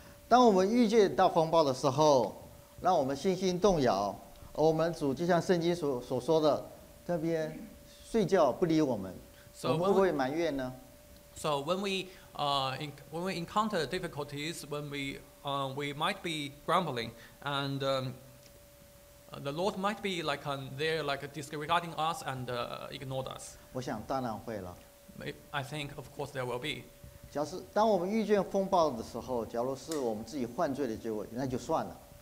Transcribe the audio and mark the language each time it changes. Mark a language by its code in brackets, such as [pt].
[zh] 当我们遇见大风暴的时候，让我们信心动摇，我们主就像圣经所说的，这边睡觉不理我们， [en] so、 [zh] 我们会不会埋怨呢 [en] ？So when we encounter difficulties, when we might be grumbling, and the Lord might be like there like disregarding us and ignored us. [zh] 我想当然会了。 [en] I think of course there will be. [zh] 假如当我们遇见风暴的时候，假如是我们自己犯罪的结果，那就算了。